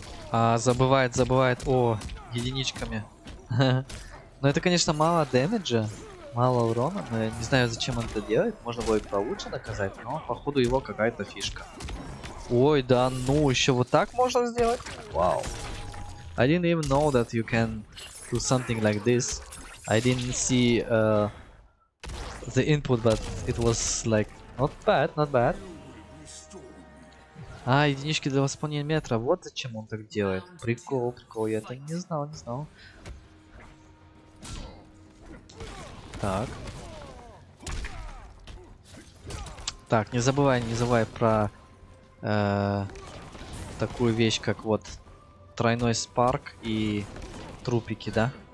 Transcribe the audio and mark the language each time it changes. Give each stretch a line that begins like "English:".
Russian: А, забывает, забывает. О, единичками. Но это, конечно, мало дэмиджа. Мало урона, но я не знаю, зачем он это делает. Можно было и получше наказать, но походу его какая-то фишка. Ой, да ну, еще вот так можно сделать? Вау.
English: I didn't even know that you can do something like this. I didn't see the input, but it was like not bad, not bad.
Russian: А, единички для восполнения метра. Вот зачем он так делает. Прикол, прикол, я это не знал, не знал. Так. Так, не забывай про такую вещь, как вот тройной спарк и трупики, да?